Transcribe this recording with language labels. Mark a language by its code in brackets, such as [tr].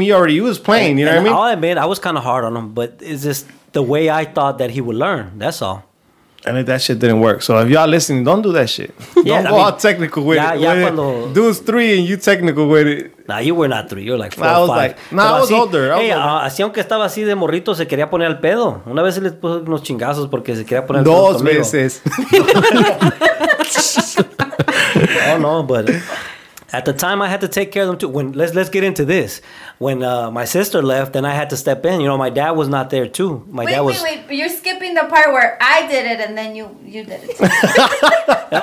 [en] He already was playing, you know what I mean? I'll admit, I was kind of hard on him, but it's just the way I thought that he would learn. That's all. And that shit didn't work. So if y'all listening, don't do that shit. Don't go all technical with it. Dude's three and you technical with it. Nah, you were not three. You were like four or five. I was older. [es] Así aunque estaba así de morrito, se quería poner al pedo. Una vez se les puso unos chingazos porque se quería poner al pedo. Dos veces. [en] Oh, no, but at the time, I had to take care of them, too. Let's get into this. When my sister left, then I had to step in. You know, my dad was not there, too. Wait. You're skipping the part where I did it, and then you did it, too.